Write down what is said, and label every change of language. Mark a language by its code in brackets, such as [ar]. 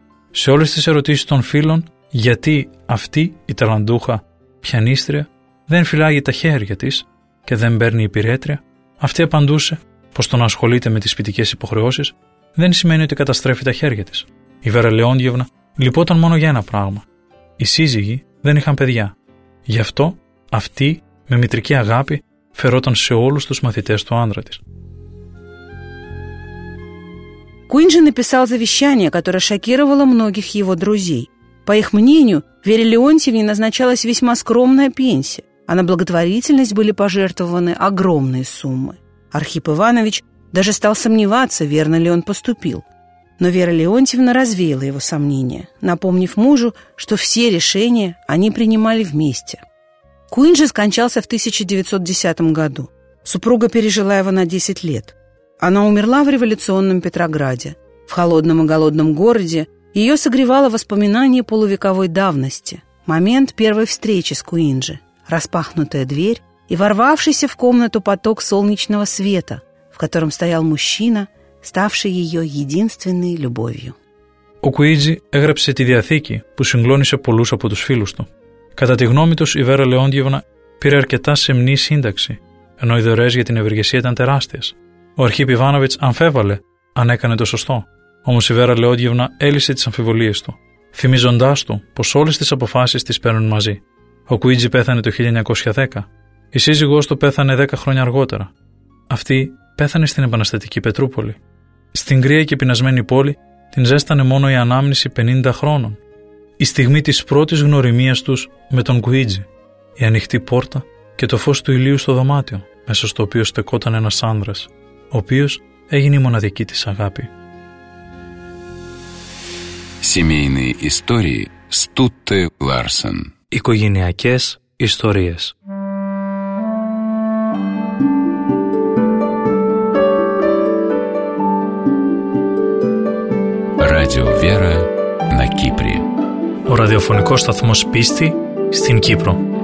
[el] Σε όλες τις ερωτήσεις των φίλων, γιατί αυτή η ταλαντούχα πιανίστρια δεν φυλάγει τα χέρια της και δεν παίρνει υπηρέτρια, αυτή απαντούσε πως το να ασχολείται με τις σπιτικές υποχρεώσεις δεν σημαίνει ότι καταστρέφει τα χέρια της. Η Βέρα Λεόντιεβνα λυπόταν μόνο για ένα πράγμα. Οι σύζυγοι δεν είχαν παιδιά. Γι' αυτό αυτή με μητρική αγάπη φερόταν σε όλους τους μαθητές του άντρα της. [ru] Куинджи написал завещание, которое шокировало многих его друзей. По их мнению, Вере Леонтьевне назначалась весьма скромная пенсия, а на благотворительность были пожертвованы огромные суммы. Архип Иванович даже стал сомневаться, верно ли он поступил. Но Вера Леонтьевна развеяла его сомнения, напомнив мужу, что все решения они принимали вместе. Куинджи скончался в 1910 году. Супруга пережила его на 10 лет. Она умерла в революционном Петрограде, в холодном и голодном городе. Ее согревало воспоминание полувековой давности, момент первой встречи с Куинджи, распахнутая дверь и ворвавшийся в комнату поток солнечного света, в котором стоял мужчина, ставший ее единственной любовью. [el] Ο Куίντζι έγραψε τη Διαθήκη που συγκλώνησε πολλούς από τους φίλους του. Κατά τη γνώμη τους, η Βέρα Λεόντιεβνα πήρε αρκετά σεμνή σύνταξη, ενώ οι δωρεές για την ευεργεσία ήταν τεράστιες. Ο Αρχίπ Ιβάνοβιτς αμφέβαλε αν έκανε το σωστό. Όμως η Βέρα Λεόντιεβνα έλυσε τις αμφιβολίες του, θυμίζοντάς του πως όλες τις αποφάσεις τις παίρνουν μαζί. Ο Κουίτζι πέθανε το 1910. Η σύζυγός του πέθανε 10 χρόνια αργότερα. Αυτή πέθανε στην επαναστατική Πετρούπολη. Στην κρύα και πεινασμένη πόλη την ζέστανε μόνο η ανάμνηση 50 χρόνων. Η στιγμή της πρώτης γνωριμίας τους με τον Κουίτζι. Η ανοιχτή πόρτα και το φως του ηλίου στο δωμάτιο, μέσα στο οποίο στεκόταν ένας άνδρας, ο οποίος έγινε η μοναδική της αγάπη. [ru] Семейные истории Стутте Ларсен. [el] Οικογενειακές ιστορίες. [ru] Радио Вера на Кипре. [el] Ο ραδιοφωνικός σταθμός πίστη στην Κύπρο.